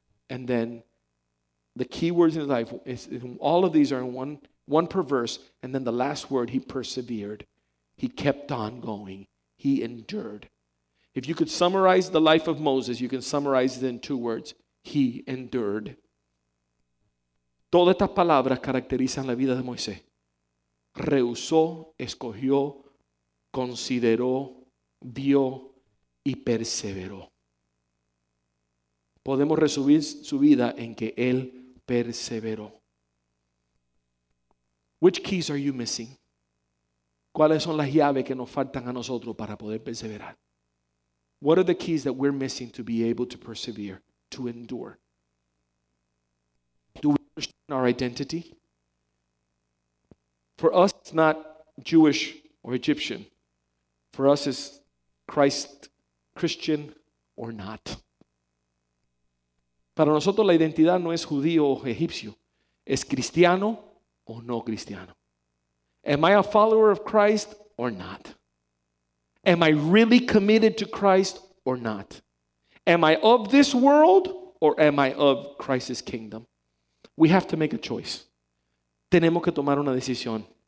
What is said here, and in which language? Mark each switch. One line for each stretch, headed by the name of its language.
English: And then the key words in his life, is, all of these are in one perverse. And then the last word, he persevered. He kept on going. He endured. If you could summarize the life of Moses, you can summarize it in 2 words. He endured.
Spanish: Todas estas palabras caracterizan la vida de Moisés. Rehusó, escogió, consideró, vio y perseveró. Podemos resumir su vida en que él perseveró.
English: Which keys are you missing?
Spanish: ¿Cuáles son las llaves que nos faltan a nosotros para poder perseverar?
English: What are the keys that we're missing to be able to persevere, to endure? Do we understand our identity? For us, it's not Jewish or Egyptian. For us, it's Christ, Christian or not.
Spanish: Para nosotros, la identidad no es judío o egipcio. Es cristiano o no cristiano.
English: Am I a follower of Christ or not? Am I really committed to Christ or not? Am I of this world or am I of Christ's kingdom? We have to make a choice.
Spanish: Tenemos que tomar una decisión.